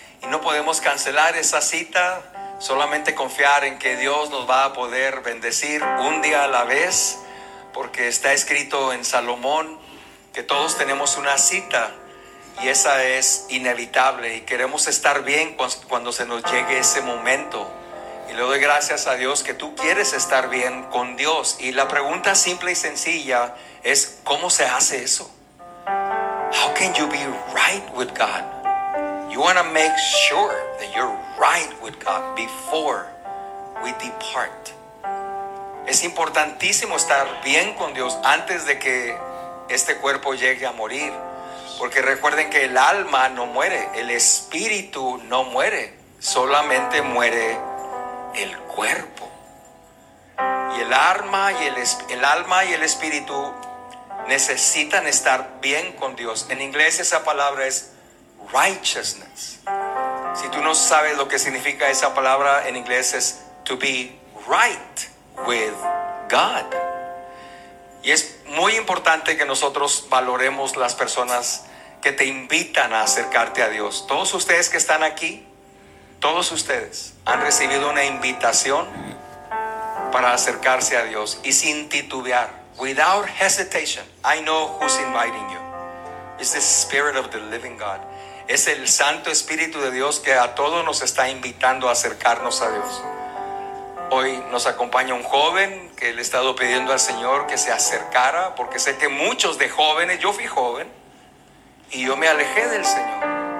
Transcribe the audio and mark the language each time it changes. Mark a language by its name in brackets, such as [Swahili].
[Spanish] Y no podemos cancelar esa cita, solamente confiar en que Dios nos va a poder bendecir un día a la vez, porque está escrito en Salomón que todos tenemos una cita, y esa es inevitable, y queremos estar bien cuando se nos llegue ese momento. Y le doy gracias a Dios que tú quieres estar bien con Dios. Y la pregunta simple y sencilla es: ¿cómo se hace eso? [English] How can you be right with God? You want to make sure that you're right with God before we depart. [Spanish] Es importantísimo estar bien con Dios antes de que este cuerpo llegue a morir. Porque recuerden que el alma no muere, el espíritu no muere, solamente muere el cuerpo. Y el alma y el espíritu necesitan estar bien con Dios. En inglés esa palabra es righteousness. Si tú no sabes lo que significa esa palabra, en inglés es [English] to be right with God. [Spanish] Y es muy importante que nosotros valoremos las personas que te invitan a acercarte a Dios. Todos ustedes que están aquí, todos ustedes han recibido una invitación para acercarse a Dios, y sin titubear, [English] without hesitation, I know who's inviting you. It's the Spirit of the Living God. [Spanish] Es el Santo Espíritu de Dios que a todos nos está invitando a acercarnos a Dios. Hoy nos acompaña un joven que le he estado pidiendo al Señor que se acercara, porque sé que muchos de jóvenes, yo fui joven y yo me alejé del Señor.